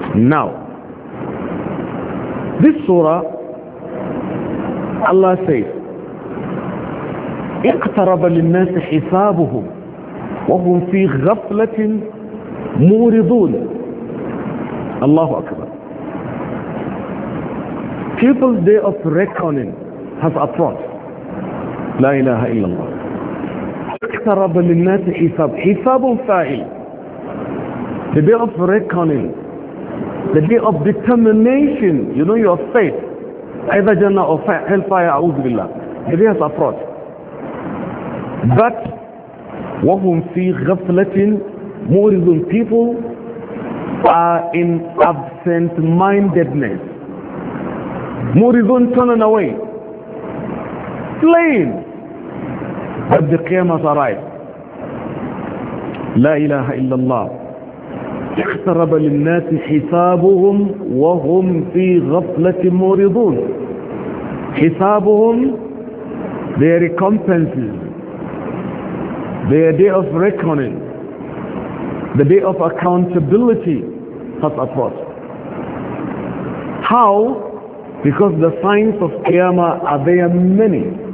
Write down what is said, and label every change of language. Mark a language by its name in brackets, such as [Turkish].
[English] Now, this surah, Allah says, [Arabic] اِقْتَرَبَ لِلنَّاسِ حِسَابُهُمْ وَهُمْ فِي غَفْلَةٍ مُورِضُونَ. Allahu Akbar. [English] People's day of reckoning has approached. [Arabic] La ilaha illallah. اِقْتَرَبَ لِلنَّاسِ حِسَابُ. حِسَابٌ فَاعِل. [English] The day of reckoning. The day of determination, you know your faith, either Jannah or Hellfire, A'udhu Billah, the day has approached. But, [Arabic] وَهُمْ فِي غَفْلَةٍ مُورِضُونَ. [English] People are in absent-mindedness. مُورِضُونَ, turning away. Slain. But the Qiyamah has arrived. [Arabic] لا إله إلا الله. اقترب للناس حسابهم وهم في غفلة مورضون. [English] حسابهم, their recompenses, their day of reckoning, the day of accountability has approached. How? Because the signs of Qiyamah are there many.